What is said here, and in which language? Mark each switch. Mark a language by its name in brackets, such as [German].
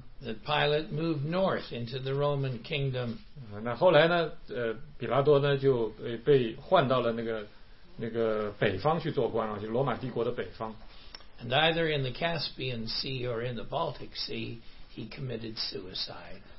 [English] That Pilate moved north into the Roman kingdom. [Chinese] 那后来呢？比拉多呢就被换到了那个北方去做官了，就罗马帝国的北方。 [English] And either in the Caspian Sea or in the Baltic Sea, he committed suicide.